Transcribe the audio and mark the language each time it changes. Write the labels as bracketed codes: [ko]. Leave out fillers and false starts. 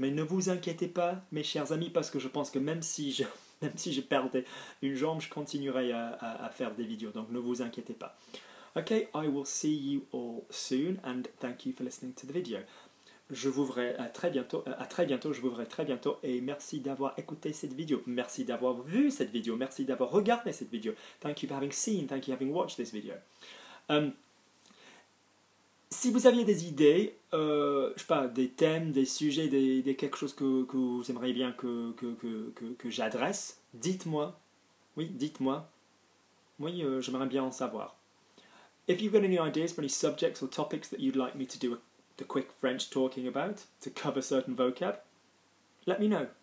[fr] Mais ne vous inquiétez pas, mes chers amis, parce que je pense que même si je perdais une jambe, je continuerai à faire des vidéos. Donc, ne vous inquiétez pas. [en] Ok, I will see you all soon and thank you for listening to the video. [fr] Je vous verrai très bientôt et merci d'avoir écouté cette vidéo. Merci d'avoir vu cette vidéo. Merci d'avoir regardé cette vidéo. [en] Thank you for having seen, thank you for having watched this video. [fr] Si vous aviez des idées, je sais pas, des thèmes, des sujets, des quelque chose que vous aimeriez bien que j'adresse, dites-moi. Oui, dites-moi. Oui, j'aimerais bien en savoir. [en] If you've got any ideas for any subjects or topics that you'd like me to do the quick French talking about, to cover certain vocab, let me know.